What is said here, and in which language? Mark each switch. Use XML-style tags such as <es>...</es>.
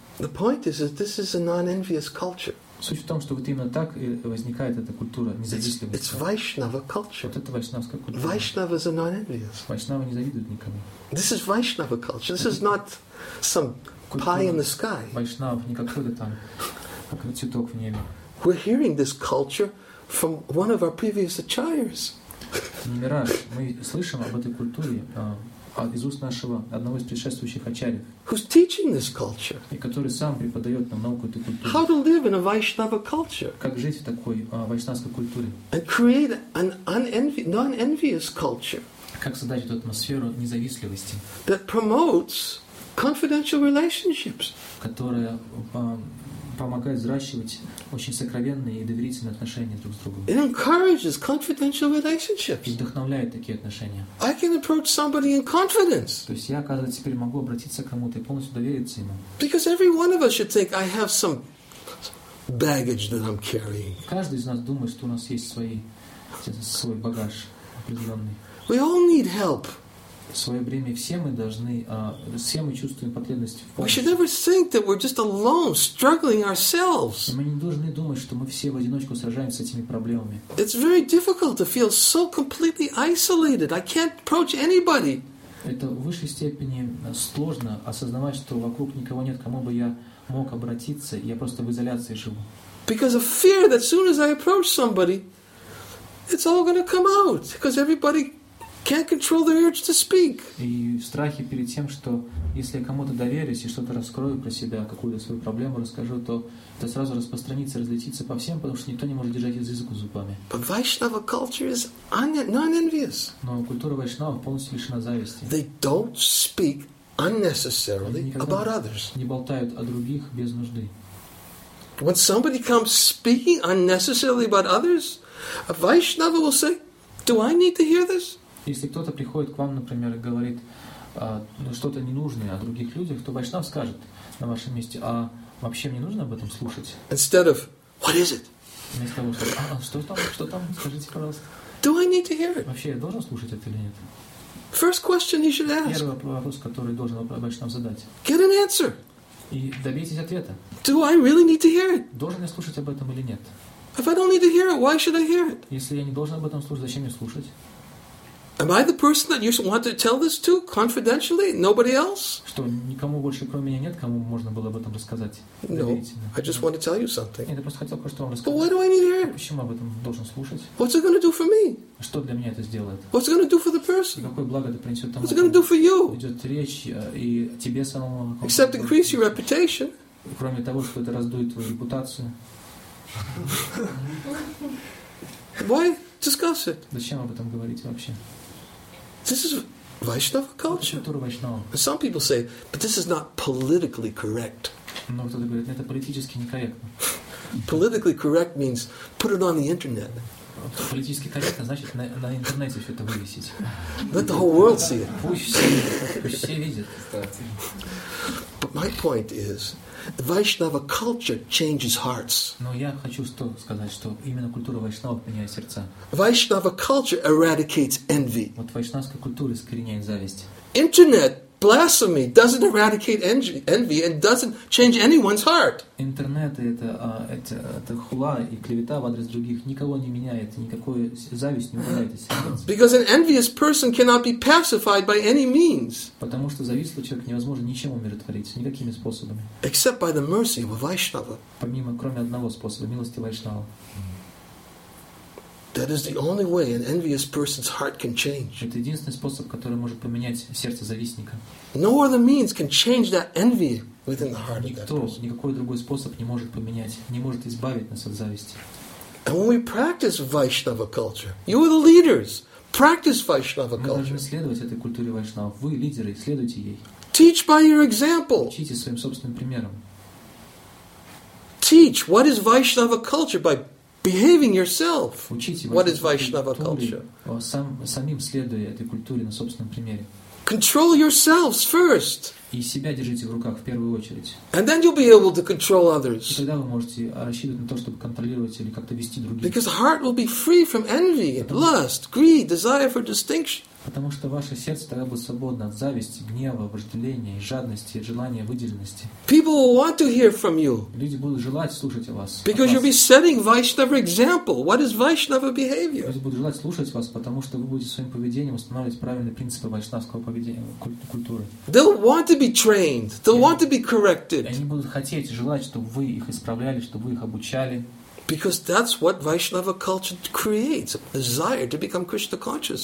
<en>The point is that this is a non-envious culture.</en> <ru>Суть в том, что вот именно так и возникает эта культура независимости.</ru> <en>It's Vaishnava culture.</en> <ru>Вот это вайшнавская культура.</ru> <en>Vaishnavas are not envious.</en> <ru>Вайшнавы не завидуют никому.</ru> <en>This is Vaishnava culture. This is not some pie in the sky.</en> <ru>Вайшнав не какой-то там цветок в небе.</ru> <en>We're hearing this culture from one of our previous acharyas.</en> <ru>Мираж, мы слышим об этой культуре из уст нашего одного из предшествующих ачарьев.</ru> <en>Who's teaching this culture?</en> <ru>И который сам преподает нам науку этой культуры.</ru> <en>How to live in a Vaishnava culture?</en> <ru>Как жить в такой вайшнавской культуре?</ru> <en>And create an non-envious culture.</en> <ru>Как создать эту атмосферу независтливости?</ru> <en>That promotes confidential relationships.</en> <ru>Которая помогает взращивать очень сокровенные и доверительные отношения друг с другом.</ru> <en>It encourages confidential relationships.</en> <ru>И вдохновляет такие отношения.</ru> <en>I can approach somebody in confidence.</en> <ru>То есть я, оказывается, теперь могу обратиться к кому-то и полностью довериться ему.</ru> <en>Because every one of us should think I have some baggage that I'm carrying.</en> <ru>Каждый из нас думает, что у нас есть свой багаж определенный.</ru> <en>We all need help.</en> <ru>В свое время все мы должны, все мы чувствуем потребность в помощи.</ru> <en>We should never think that we're just alone, struggling ourselves.</en> <ru>Мы не должны думать, что мы все в одиночку сражаемся с этими проблемами.</ru> <en>It's very difficult to feel so completely isolated. I can't approach anybody.</en> <ru>Это в высшей степени сложно осознавать, что вокруг никого нет, кому бы я мог обратиться. Я просто в изоляции живу.</ru> <en>Because of fear that soon as I approach somebody, it's all going to come out because everybody can't control the urge to speak.</en> <ru>И в страхе перед тем, что если я кому-то доверюсь и что-то раскрою про себя, какую-то свою проблему расскажу, то это сразу распространится, разлетится по всем, потому что никто не может держать язык у зубами.</ru> <en>But Vaishnava culture is non-envious.</en> <ru>Но культура вайшнава полностью лишена зависти.</ru> <en>They don't speak unnecessarily about others.</en> <ru>Не болтают о других без нужды.</ru> <en>When somebody comes speaking unnecessarily about others, a Vaishnava will say, "Do I need to hear this?"</en> <ru>Если кто-то приходит к вам, например, и говорит что-то ненужное о других людях, то вайшнав скажет на вашем месте, а вообще мне нужно об этом слушать?</ru> <en>Instead of, what is it?</en> <ru>Вместо того, что там, скажите, пожалуйста.</ru> <en>Do I need to hear it?</en> <ru>Вообще, я должен слушать это или нет?</ru> <en>First question he should ask.</en> <ru>Первый вопрос, который должен вайшнав задать.</ru> <en>Get an answer.</en> <ru>И добейтесь ответа.</ru> <en>Do I really need to hear it?</en> <ru>Должен я слушать об этом или нет?</ru> <en>If I don't need to hear it, why should I hear it?</en> <ru>Если я не должен об этом слушать, зачем мне слушать?</ru> <en>Am I the person that you want to tell this to confidentially? Nobody else?</en> <ru>Что никому больше кроме меня нет, кому можно было об этом рассказать?</ru> <en>No. I just want to tell you something.</en> <ru>Нет, я просто хотел кое-что вам рассказать.</ru> <en>But why do I need to hear?</en> <ru>Почему об этом должен слушать?</ru> <en>What's it going to do for me?</en> <ru>Что для меня это сделает?</ru> <en>What's it going to do for the person?</en> <ru>И какое благо это принесет тому?</ru> <en>What's it going to do for you?</en> <ru>Идет речь и тебе самому.</ru> <en>Except increase your reputation.</en> <ru>Кроме того, что это раздует твою репутацию.</ru> <en>Why discuss it?</en> <ru>Зачем об этом говорить вообще?</ru> <en>This is Vaishnava culture. But some people say, but this is not politically correct.</en> <ru>Но кто-то говорит, это политически некорректно.</ru> <en>Politically correct means put it on the internet.</en> <ru>Политически корректно значит на интернете все это вывесить.</ru> <en>Let the whole world see it.</en> <ru>Пусть все видят.</ru> <en>But my point is, the Vaishnava culture changes hearts.</en> <ru>Но я хочу что сказать, что именно культура вайшнава меняет сердца.</ru> <en>Vaishnava culture eradicates envy.</en> <ru>Вот вайшнавская культура искореняет зависть.</ru> <en>Internet blasphemy doesn't eradicate envy and doesn't change anyone's heart.</en> <ru>Интернет это хула и клевета в адрес других никого не меняет, никакой зависть не убивает из сердца.</ru> <en>Because an envious person cannot be pacified by any means.</en> <ru>Потому что завистливый человек невозможно ничем умиротворить, никакими способами.</ru> <en>Except by the mercy of a Vaishnava.</en> <ru>Помимо кроме одного способа милости вайшнава.</ru> <en>That is the only way an envious person's heart can change.</en> <ru>Это единственный способ, который может поменять сердце завистника.</ru> <en>No other means can change that envy within the heart.</en> <ru>Никто, никакой другой способ не может поменять, не может избавить нас от зависти.</ru> <en>And when we practice Vaishnava culture, you are the leaders. Practice Vaishnava culture.</en> <ru>Мы должны следовать этой культуре вайшнава. Вы лидеры, следуйте ей.</ru> <en>Teach by your example.</en> <ru>Учите своим собственным примером.</ru> <en>Teach what is Vaishnava culture by behaving yourself.</en> <ru>Учите</ru> <en>what is Vaishnava culture?</en> <ru>Самим следуя этой культуре на собственном примере.</ru> <en>Control yourselves first.</en> <ru>И себя держите в руках в первую очередь.</ru> <en>And then you'll be able to control others.</en> <ru>И тогда вы можете рассчитывать на то, чтобы контролировать или как-то вести других.</ru> <en>Because the heart will be free from envy, lust, greed, desire for distinction.</en> <ru>Потому что ваше сердце тогда будет свободно от зависти, гнева, вожделения, жадности, желания выделенности.</ru> <en>People will want to hear from you.</en> <ru>Люди будут желать слушать о вас.</ru> <en>Because you'll be setting Vaishnava example. What is Vaishnava behavior?</en> <ru>Люди будут желать слушать вас, потому что вы будете своим поведением устанавливать правильные принципы вайшнавского поведения, культуры.</ru> <en>They'll want to be trained. They'll want to be corrected.</en> <ru>Они будут хотеть, желать, чтобы вы их исправляли, чтобы вы их обучали.</ru> <en>Because that's what Vaishnava culture creates, a desire to become Krishna conscious.</en>